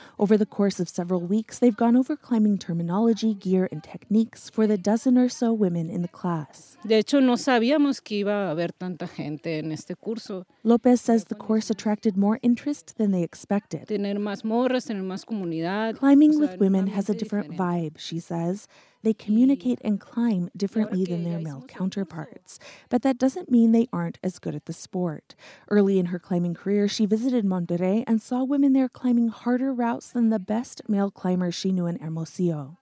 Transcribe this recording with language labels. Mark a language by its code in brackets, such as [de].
[en] Over the course of several weeks, they've gone over climbing terminology, gear, and techniques for the dozen or so women in the class. [es] De hecho, no sabíamos que iba a haber tanta gente en este curso. [en] Lopez says the course attracted more interest than they expected. [es] Tener más morras, tener más comunidad. [en] Climbing with women has a different vibe, she says. they communicate and climb differently than their male counterparts. But that doesn't mean they aren't as good at the sport. Early in her climbing career, she visited Monterrey and saw women there climbing harder routes than the best male climbers she knew in Hermosillo.